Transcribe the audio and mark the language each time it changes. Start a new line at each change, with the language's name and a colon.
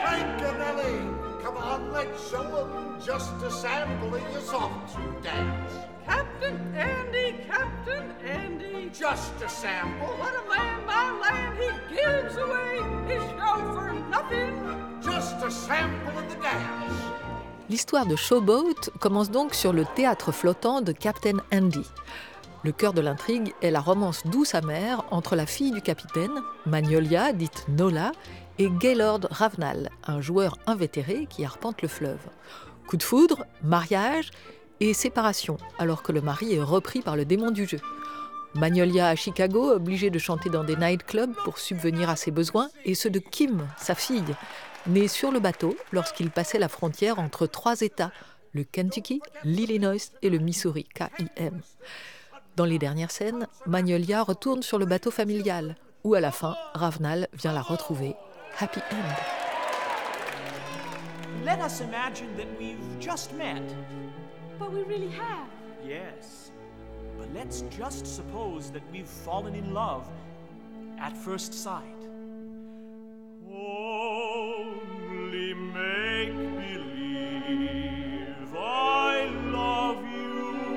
English: Frank and Ellie, come on, let's show them just a sample of your soft shoe dance. Captain Andy, Captain Andy, just a sample. What a man by land, he gives away his show for nothing. Just a sample of the dance.
French: L'histoire de Showboat commence donc sur le théâtre flottant de Captain Andy. Le cœur de l'intrigue est la romance douce-amère entre la fille du capitaine, Magnolia, dite Nola, et Gaylord Ravenal, un joueur invétéré qui arpente le fleuve. Coup de foudre, mariage et séparation, alors que le mari est repris par le démon du jeu. Magnolia à Chicago, obligée de chanter dans des nightclubs pour subvenir à ses besoins, et ceux de Kim, sa fille, née sur le bateau lorsqu'il passait la frontière entre trois États, le Kentucky, l'Illinois et le Missouri, K-I-M. Dans les dernières scènes, Magnolia retourne sur le bateau familial, où à la fin, Ravenal vient la retrouver.
English: Happy end. Let us imagine that we've just met. But we really have. Yes. But let's just suppose that we've fallen in love at first sight. Only make believe I love you.